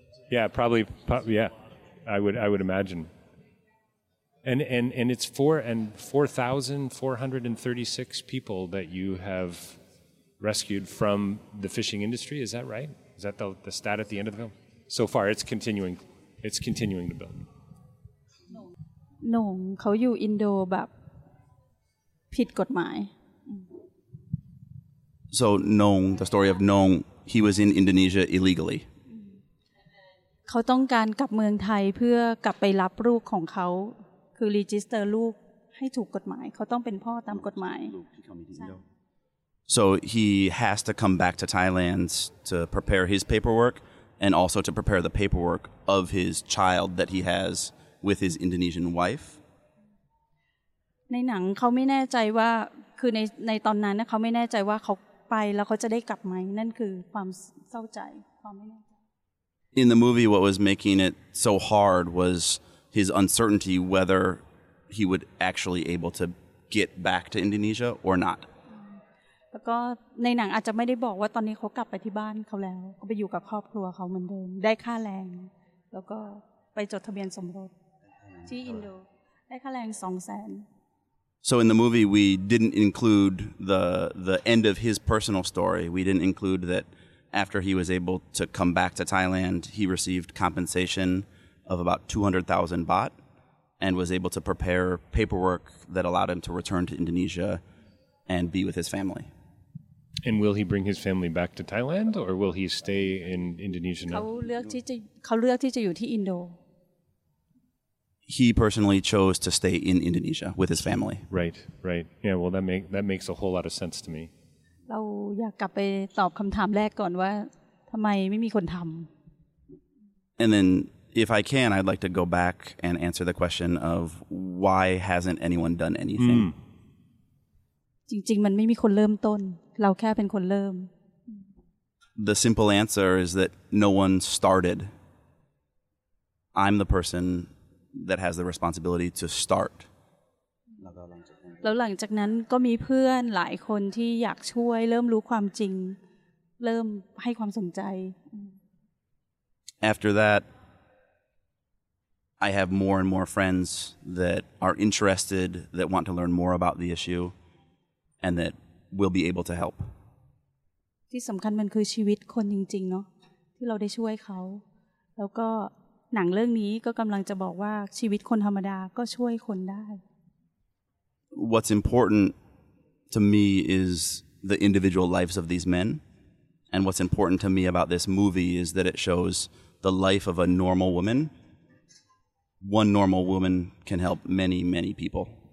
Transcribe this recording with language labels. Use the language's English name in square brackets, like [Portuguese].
[English] Yeah, probably, I would imagine. And it's 4,436 people that you have rescued from the fishing industry, is that right? Is that the stat at the end of the film? So far, it's continuing to build. [Thai] น้องเขาอยู่อินโดแบบผิดกฎหมาย [English] So Nong, the story of Nong, he was in Indonesia illegally. [Thai] เขาต้องการกลับเมืองไทยเพื่อกลับไปรับลูกของเขาคือรีจิสเตอร์ลูกให้ถูกกฎหมายเขาต้องเป็นพ่อตามกฎหมาย [English] So he has to come back to Thailand to prepare his paperwork and also to prepare the paperwork of his child that he has. With his Indonesian wife. [Thai] ในหนังเขาไม่แน่ใจว่าคือในตอนนั้นเขาไม่แน่ใจว่าเขาไปแล้วเขาจะได้กลับไหมนั่นคือความเศร้าใจความไม่แน่ใจ [English] In the movie, what was making it so hard was his uncertainty whether he would actually able to get back to Indonesia or not. [Thai] แล้วก็ในหนังอาจจะไม่ได้บอกว่าตอนนี้เขากลับไปที่บ้านเขาแล้วก็ไปอยู่กับครอบครัวเขาเหมือนเดิมได้ค่าแรงแล้วก็ไปจดทะเบียนสมรสที่อินโดได้ค่าแรง 200,000 [English] So in the movie we didn't include the end of his personal story. We didn't include that after he was able to come back to Thailand, he received compensation of about 200,000 baht and was able to prepare paperwork that allowed him to return to Indonesia and be with his family. And will he bring his family back to Thailand or will he stay in Indonesia now? [Thai] เขาเลือกที่จะอยู่ที่อินโด [English] He personally chose to stay in Indonesia with his family. Right, right. Yeah, well that makes a whole lot of sense to me. [Thai] เราอยากกลับไปตอบคําถามแรกก่อนว่าทําไมไม่มีคนทํา [English] And then if I can I'd like to go back and answer the question of why hasn't anyone done anything? [Thai] จริงๆ มัน ไม่ มี คน เริ่ม ต้น เรา แค่ เป็น คน เริ่ม [English] The simple answer is that no one started. I'm the person that has the responsibility to start. [Thai] แล้ว หลังจากนั้น ก็ มี เพื่อน หลาย คน ที่ อยาก ช่วย เริ่ม รู้ ความ จริง เริ่ม ให้ ความ สน ใจ [English] After that, I have more and more friends that are interested, that want to learn more about the issue, and that will be able to help. [Thai] ที่สำคัญมันคือชีวิตคนจริงๆเนาะที่เราได้ช่วยเขาแล้วก็หนังเรื่องนี้ก็กำลังจะบอกว่าชีวิตคนธรรมดาก็ช่วยคนได้ [English] What's important to me is the individual lives of these men, and what's important to me about this movie is that it shows the life of a normal woman. One normal woman can help many, many people.